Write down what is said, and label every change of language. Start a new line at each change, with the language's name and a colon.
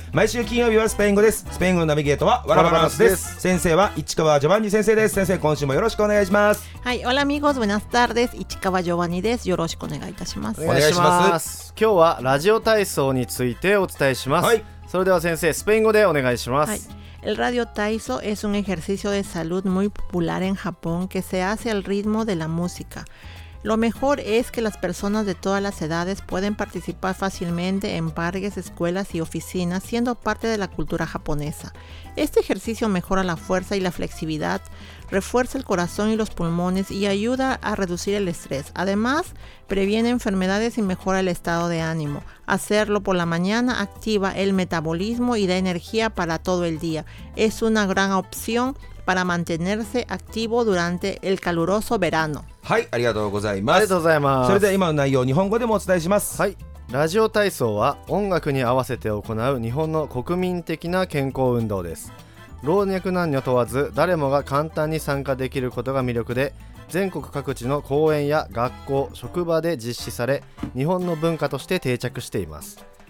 Japanese: 毎週金曜日はスペイン語です。スペイン語のナビゲートはワラバランスです。先生は市川ジョバンニ先生です。先生、今週もよろしくお願いします。はい、オラミゴズブナスタールです。市川ジョバンニです。よろしくお願いいたします。お願いします。今日はラジオ体操についてお伝えします。はい、それでは先生、スペイン語でお願いします。はい、
Spanish: El radio taiso es un ejercicio de salud muy popular en Japón que se hace al ritmo de la música. Lo mejor es que las personas de todas las edades pueden participar fácilmente en parques, escuelas y oficinas, siendo parte de la cultura japonesa. Este ejercicio mejora la fuerza y la flexibilidad, refuerza el corazón y los pulmones y ayuda a reducir el estrés. Además, previene enfermedades y mejora el estado de ánimo. Hacerlo por la mañana activa el metabolismo y da energía para todo el día. Es una gran opción para mantenerse activo durante el caluroso verano.
Japanese: はい、ありがとうございます。ありがとうございます。それでは今の内容を日本語でもお伝えします。はい。ラジオ体操は音楽に合わせて行う日本の国民的な健康運動です。老若男女問わず誰もが簡単に参加できることが魅力で、全国各地の公園や学校、職場で実施され、日本の文化として定着しています。